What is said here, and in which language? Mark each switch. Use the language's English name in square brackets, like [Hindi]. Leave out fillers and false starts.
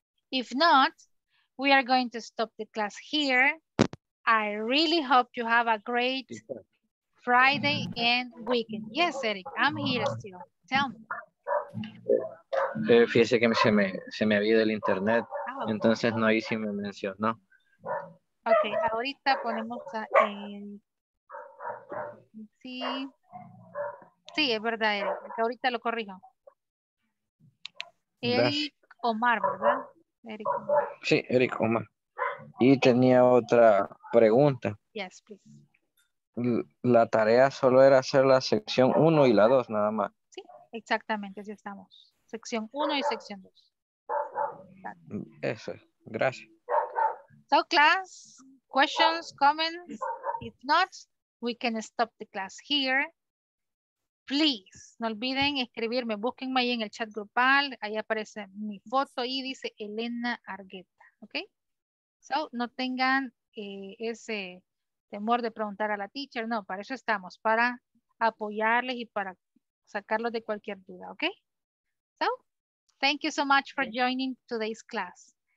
[English] If not, we are going to stop the class here. I really hope you have a great Friday and weekend. Yes, Eric, I'm here still. Tell me. [Spanish] Fíjese que se me había ido el internet. Oh, okay. Entonces no, ahí sí me mencionó. Ok, ahorita ponemos el... Sí. Sí, es verdad, Eric. Ahorita lo corrijo. Eric Omar, ¿verdad? Eric. Sí, Eric Omar. Y tenía otra pregunta. [English] Yes, please. [Spanish] La tarea solo era hacer la sección 1 y la 2, nada más. Sí, exactamente, así estamos. Sección 1 y sección 2. Eso es, gracias. [English] So, class, questions, comments? If not, we can stop the class here. [Spanish] Please, no olviden escribirme, búsquenme ahí en el chat grupal, ahí aparece mi foto y dice Elena Argueta, ¿ok? So, no tengan ese temor de preguntar a la teacher, no, para eso estamos, para apoyarles y para sacarlo de cualquier duda, ¿ok? [English] So, thank you so much for joining today's class.